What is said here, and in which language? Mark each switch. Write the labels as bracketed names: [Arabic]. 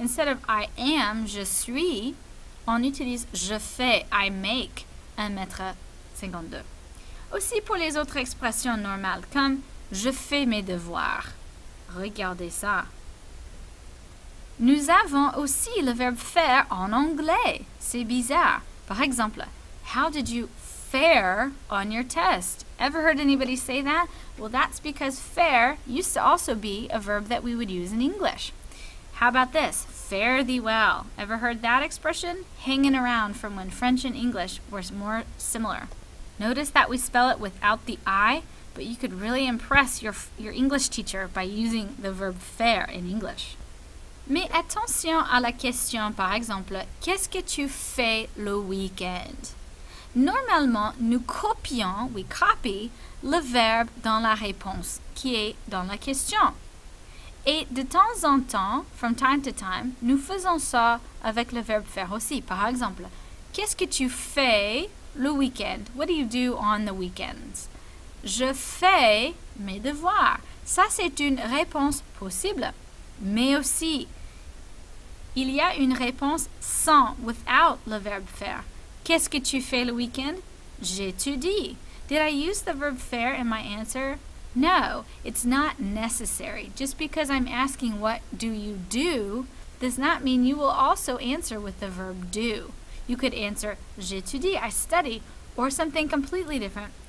[English] Instead of « I am », [French] « je suis », on utilise « je fais »,« [English] I make 1,52 m ». [French] Aussi pour les autres expressions normales comme « je fais mes devoirs ». Regardez ça. Nous avons aussi le verbe faire en anglais. C'est bizarre. Par exemple, [English] how did you fare on your test? Ever heard anybody say that? Well, that's because fare used to also be a verb that we would use in English. How about this? Fare thee well. Ever heard that expression? Hanging around from when French and English were more similar. Notice that we spell it without the I. But you could really impress your English teacher by using the verb faire in English. [French] Mais attention à la question, par exemple, qu'est-ce que tu fais le week-end? Normalement, nous copions, [English] we copy, [French] le verbe dans la réponse qui est dans la question. Et de temps en temps, [English] from time to time, [French] nous faisons ça avec le verbe faire aussi. Par exemple, qu'est-ce que tu fais le week-end? [English] What do you do on the weekends? [French] Je fais mes devoirs. Ça, c'est une réponse possible. Mais aussi, il y a une réponse sans, without le verbe faire. Qu'est-ce que tu fais le week-end? J'étudie. [English] Did I use the verb faire in my answer? No, it's not necessary. Just because I'm asking what do you do, does not mean you will also answer with the verb do. You could answer, [French] j'étudie, [English] I study, or something completely different.